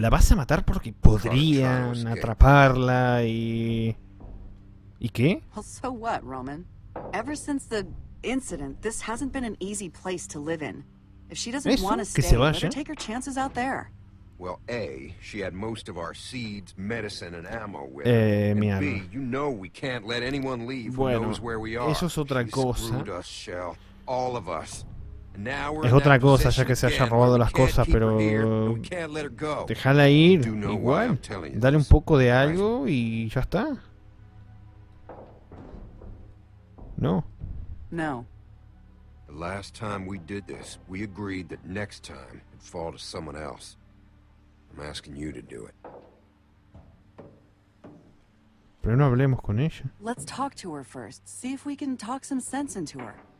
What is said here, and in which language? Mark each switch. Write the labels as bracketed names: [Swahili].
[Spanish] ¿La vas a matar porque podrían atraparla y... ¿Y qué? [English] Well, so what, Roman? Ever since the incident, this hasn't been an easy place to live in. If she doesn't want to stay, let her take her chances out there. Well, A, she had most of our seeds, medicine, and ammo with her. And B, you know we can't let anyone leave who knows where we are. [Spanish] Eso es otra cosa. [English] Screwed us, Shell. All of us. And now we're [Spanish] es otra cosa, ya que se haya robado las cosas, pero... Déjala ir, igual. Dale un poco de algo y ya está. [English] No. No. The last time we did this, we agreed that next time it'd fall to someone else. I'm asking you to do it. [Spanish] Pero no hablemos con ella. [English] Let's talk to her first. See if we can talk some sense into her.